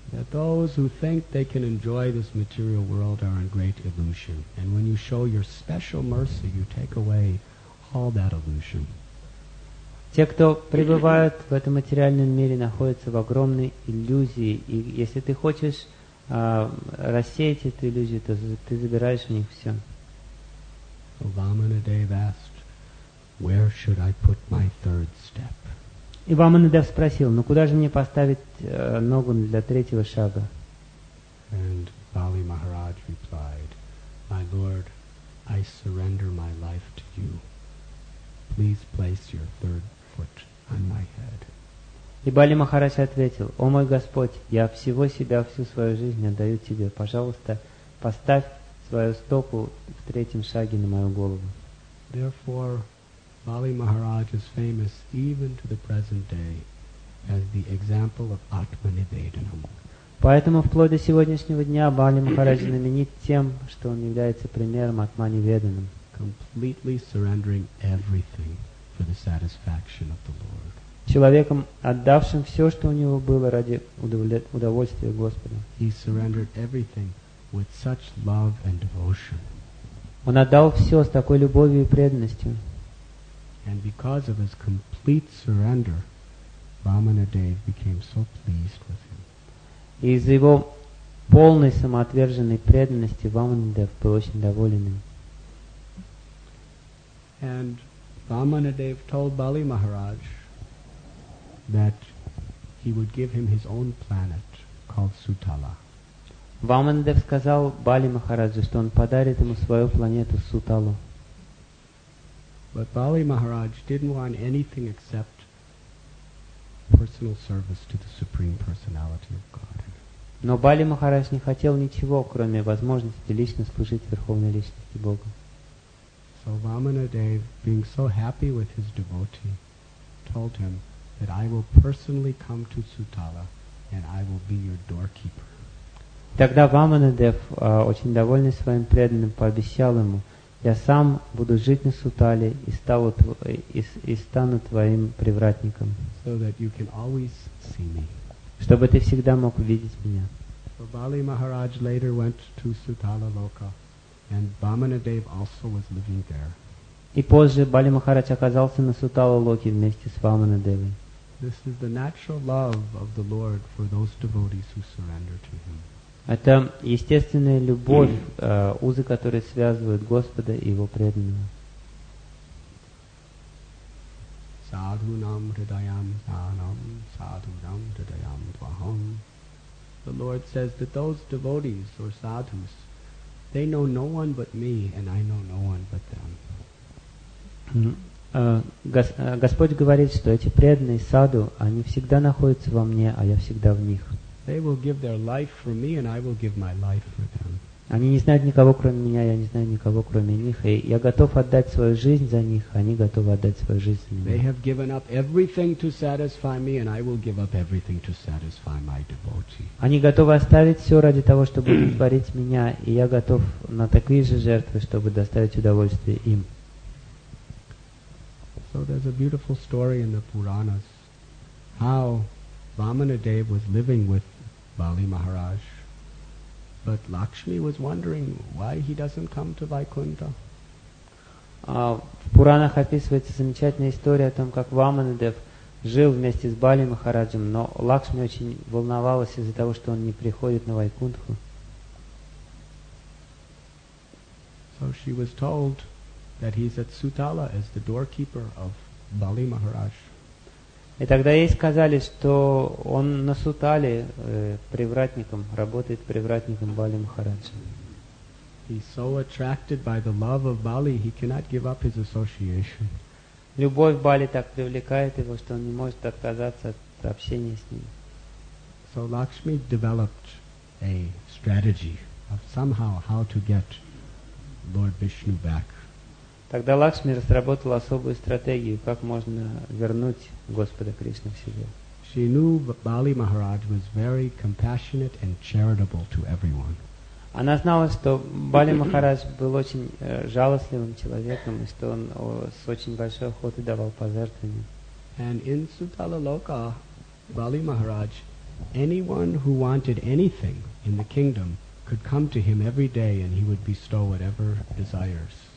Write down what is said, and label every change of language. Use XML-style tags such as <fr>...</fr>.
<en>That those who think they can enjoy this material world are in great illusion. And when you show your special mercy, you take away all that illusion.</en> <ru>Те, кто пребывают в этом материальном мире, находятся в огромной иллюзии. И если ты хочешь рассеять эту иллюзию, то ты забираешь у них все.</ru> <en>So Vamanadeva asked, where should I put my third step?</en> <ru>И Vamanadeva спросил: ну куда же мне поставить ногу для третьего шага?</ru> <en>And Bali Maharaj replied, my lord, I surrender my life to you. Please place your third foot on my head.</en> <ru>И Бали Махарадж ответил: о мой Господь, я всего себя, всю свою жизнь отдаю тебе. Пожалуйста, поставь свою стопу в третьем шаге на мою голову.</ru> <en>Therefore, Bali Maharaj is famous even to the present day as the example of Atmanivedanam.</en> <ru>Поэтому вплоть до сегодняшнего дня Бали Махарадж знаменит тем, что он является примером Атманиведанам.</ru> <en>Completely surrendering everything for the satisfaction of the Lord.</en> <ru>Человеком, отдавшим все, что у него было ради удовольствия Господа.</ru> <en>He surrendered everything with such love and devotion.</en> <ru>Он отдал все с такой любовью и преданностью.</ru> <en>And because of his complete surrender, Vamanadeva became so pleased with him.</en> <ru>Из-за его полной самоотверженной преданности Vamanadeva был очень доволен им.</ru> <en>And Vamana Dev told Bali Maharaj that he would give him his own planet called Sutala.</en> <ru>Vamana Dev сказал Бали Махараджу, что он подарит ему свою планету Суталу.</ru> <en>But Bali Maharaj didn't want anything except personal service to the Supreme Personality of Godhead.</en> <ru>Но Бали Махарадж не хотел ничего, кроме возможности лично служить Верховной Личности Бога.</ru> <en>So Vamana Dev, being so happy with his devotee, told him that I will personally come to Sutala and I will be your doorkeeper.</en> <ru>Тогда Vamana Dev, очень довольный своим преданным, пообещал ему: я сам буду жить на Сутале и стану твоим привратником.</ru> <en>So that you can always see me.</en> <ru>Чтобы ты всегда мог видеть меня.</ru> <en>So Bali Maharaj later went to Sutala Loka. And Vamana Dev also was living there.</en> <ru>И позже Бали Махарадж оказался на Сутала Локе вместе с Вамана Деви.</ru> <en>This is the natural love of the Lord for those devotees who surrender to Him.</en> <ru>Это естественная любовь, узы, которые связывают Господа и Его преданного.</ru> <sa>Sadhunam hridayam sanam, sadhunam hridayam dvaham.</sa> <en>The Lord says that those devotees or sadhus, they know no one but me, and I know no one but them.</en> <ru>Господь говорит, что эти преданные саду, они всегда находятся во мне, а я всегда в них.</ru> <en>They will give their life for me, and I will give my life for them.</en> <ru>Они не знают никого кроме меня, я не знаю никого кроме них, и я готов отдать свою жизнь за них, они готовы отдать свою жизнь за меня.</ru> <en>They have given up everything to satisfy me, and I will give up everything to satisfy my devotee.</en> <ru>Они готовы оставить все ради того, чтобы удовлетворить меня, и я готов на такие же жертвы, чтобы доставить удовольствие им.</ru> <en>So there's a beautiful story in the Puranas how Vamana Dev was living with Bali Maharaj. But Lakshmi was wondering why he doesn't come to Vaikuntha.</en> <ru>В Пуранах описывается замечательная история о том, как Vamana Dev жил вместе с Бали Махараджем, но Лакшми очень волновалась из-за того, что он не приходит на Вайкунтху.</ru> <en>So she was told that he's at Sutala as the doorkeeper of Bali Maharaj.</en> <ru>И тогда ей сказали, что он на Сутале привратником, работает привратником Бали Махараджа.</ru> <en>He's so attracted by the love of Bali, he cannot give up his association.</en> <ru>Любовь Бали так привлекает его, что он не может отказаться от общения с ним.</ru> <en>So Lakshmi developed a strategy of somehow how to get Lord Vishnu back.</en> <ru>Тогда Лакшми разработала особую стратегию, как можно вернуть Господа Кришну к себе.</ru> <en>She knew Bali Maharaj was very compassionate and charitable to everyone.</en> <ru>Она знала, что Бали Махарадж был очень жалостливым человеком, и что он с очень большой охотой давал пожертвования.</ru> <en>And in Sutala Loka, Bali Maharaj, anyone who wanted anything in the kingdom could come to him every day, and he would bestow whatever desires.</en>